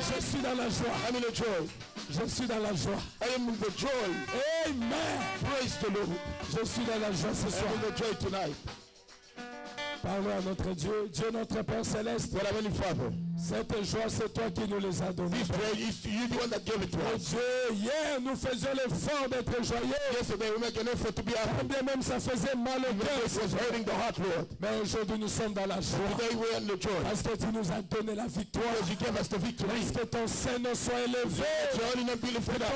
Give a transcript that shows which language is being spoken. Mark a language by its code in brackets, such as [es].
[fr] Je suis dans la joie. [en] I'm in the joy. [fr] Je suis dans la joie. [en] I am in the joy. Amen. Praise the Lord. [fr] Je suis dans la joie ce soir. [en] I am in the joy tonight. [fr] Parlons à notre Dieu. Dieu notre Père céleste. [en] Voilà, Heavenly Father. [fr] Cette joie, c'est toi qui nous les as donnés. [en] This joy is you, the one that gave it to us. [fr] Oh Dieu, yeah, nous faisions l'effort d'être joyeux. [en] Yesterday we make an effort to be happy. [fr] Et bien même ça faisait mal au cœur. [en] It was hurting the heart, Lord. [fr] Mais aujourd'hui nous sommes dans la joie. [en] Today we are in the joy. [fr] Parce que tu nous as donné la victoire. [en] Because you gave us the victory. [fr] Parce que ton saint nom soit élevé. [en] Your holy name be lifted up.